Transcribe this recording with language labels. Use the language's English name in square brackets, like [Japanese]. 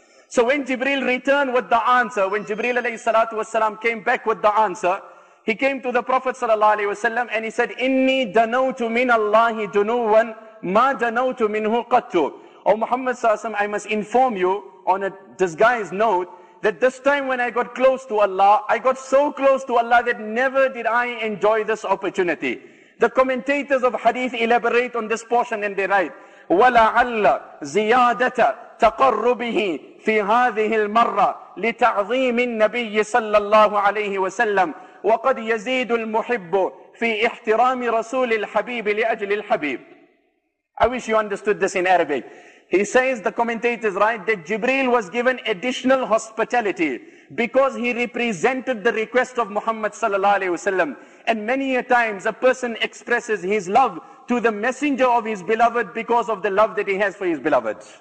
[English] So when Jibreel returned with the answer, when Jibreel alayhi salatu wasalam came back with the answer, he came to the Prophet sallallahu alayhi wasallam and he said, [Arabic] Inni danawtu min Allahi dunuwan ma danawtu minhu qattu. [English] O Muhammad sallallahu alayhi wasallam, I must inform you on a disguised note that this time when I got close to Allah, I got so close to Allah that never did I enjoy this opportunity. The commentators of hadith elaborate on this portion and they write, [Arabic] وَلَعَلَّ زِيَادَةَ تَقَرُّبِهِ فِي هَذِهِ الْمَرَّةِ لِتَعْظِيمِ النَّبِيِّ صَلَّى اللَّهُ عَلَيْهِ وَسَلَّمْ وَقَدْ يَزِيدُ الْمُحِبُّ فِي إِحْتِرَامِ رَسُولِ الْحَبِيبِ لِأَجْلِ الْحَبِيبِ. [English] I wish you understood this in Arabic. He says, the commentators write, that Jibreel was given additional hospitality because he represented the request of Muhammad sallallahu alayhi wasallam. And many a times a person expresses his love to the messenger of his beloved because of the love that he has for his beloved.